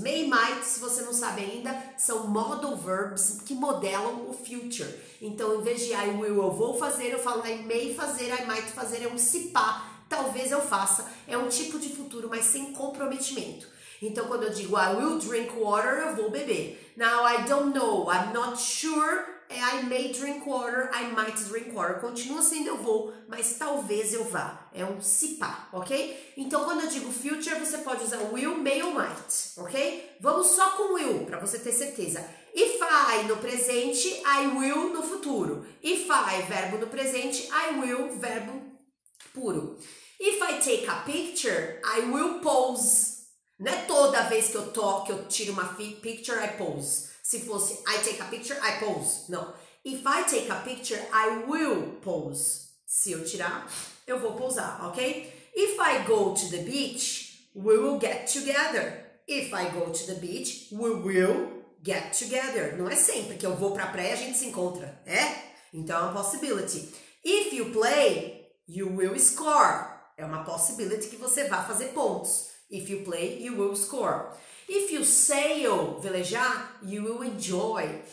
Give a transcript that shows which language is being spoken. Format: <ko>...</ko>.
<pt>May, might, se você não sabe ainda, são modal verbs que modelam o future. Então, em vez de</pt> <en>I will,</en> <pt>eu vou fazer, eu falo</pt> <en>I may</en> <pt>fazer,</pt> <en>I might</en> <pt>fazer, é um se pá, talvez eu faça. É um tipo de futuro, mas sem comprometimento. Então, quando eu digo</pt> <en>I will drink water,</en> <pt>eu vou beber.</pt> <en>Now, I don't know, I'm not sure, é I may drink water, I might drink water.</en> <pt>Continua sendo eu vou, mas talvez eu vá. É um se pá, ok? Então, quando eu digo future, você pode usar will, may ou might, ok? Vamos só com will, para você ter certeza.</pt> <en>If I</en> <pt>no presente,</pt> <en>I will</en> <pt>no futuro.</pt> <en>If I,</en> <pt>verbo no presente,</pt> <en>I will,</en> <pt>verbo puro.</pt> <en>If I take a picture, I will pose.</en> <pt>Não é toda vez que eu toco, que eu tiro uma picture, I pose. Se fosse</pt> <en>I take a picture, I pose.</en> <pt>Não.</pt> <en>If I take a picture, I will pose.</en> <pt>Se eu tirar, eu vou pousar, ok?</pt> <en>If I go to the beach, we will get together. If I go to the beach, we will get together.</en> <pt>Não é sempre que eu vou pra praia e a gente se encontra, é? Então é uma possibility.</pt> <en>If you play, you will score.</en> <pt>É uma possibility que você vá fazer pontos.</pt> <en>If you play, you will score. If you sail, velejar, you will enjoy.</en>